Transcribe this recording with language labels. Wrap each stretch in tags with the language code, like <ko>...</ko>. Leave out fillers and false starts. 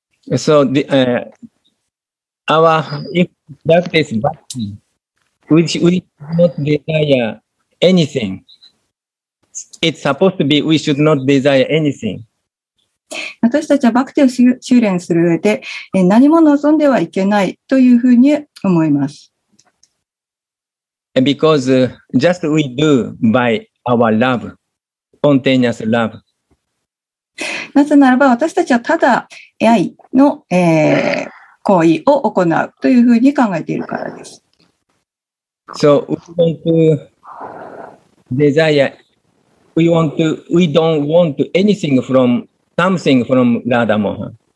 <en>So, the, if practice bhakti, which we not desire anything, it's supposed to be we should not desire anything.</en> <ja>私たちはバクティを修練する上で、何も望んではいけないというふうに思います。</ja> <en>Because just we do by our love, spontaneous love.</en> <ja>なぜならば私たちはただ愛の、行為を行うというふうに考えているからです。</ja> <en>So we want to desire, we want to, we don't want anything from something from Radha Mohan.</en>